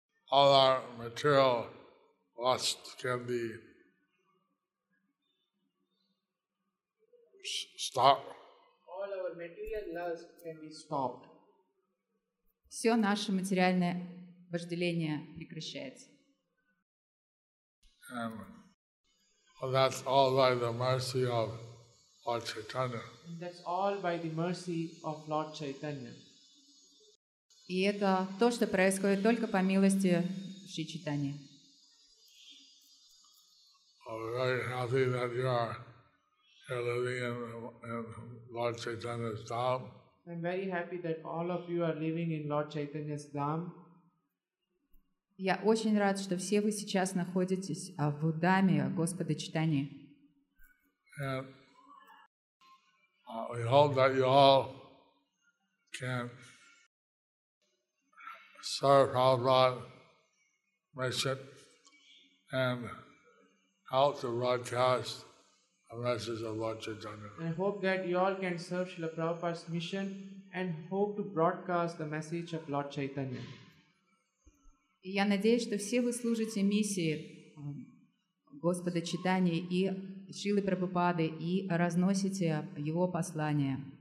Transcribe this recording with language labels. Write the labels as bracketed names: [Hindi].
[English] All our material lust can be stopped. All our material lust can be stopped. [Russian] Все наше материальное вожделение прекращается. [English] And that's all by the mercy of Lord Chaitanya. And that's all by the mercy of Lord Chaitanya. [Russian] И это то, что происходит только по милости Шри Чайтаньи. [English] I'm very happy that you are living in Lord Chaitanya's dham. I'm very happy that all of you are living in Lord Chaitanya's dham. [Russian] Я очень рад, что все вы сейчас находитесь в даме Господа Чайтаньи. [English] We hope that you all can serve Prabhupada's mission and help to broadcast the message of Lord Chaitanya. I hope that you all can serve Srila Prabhupada's mission and hope to broadcast the message of Lord Chaitanya. [Russian] Я надеюсь, что все вы служите миссии Господа Чайтаньи и Шрилы Прабхупады и разносите его послание.